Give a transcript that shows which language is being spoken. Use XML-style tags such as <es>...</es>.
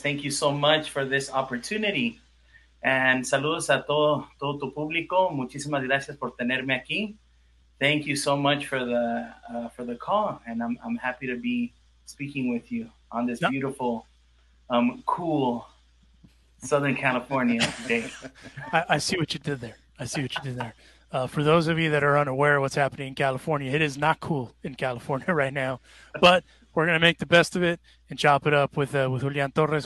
<en>Thank you so much for this opportunity.</en> <es>And saludos a todo tu público. Muchísimas gracias por tenerme aquí.</es> <en>Thank you so much for the call, and I'm happy to be speaking with you on this beautiful, cool Southern California day. I see what you did there. I see what you did there. For those of you that are unaware of what's happening in California, it is not cool in California right now, but we're going to make the best of it and chop it up with Julián Torres.</en>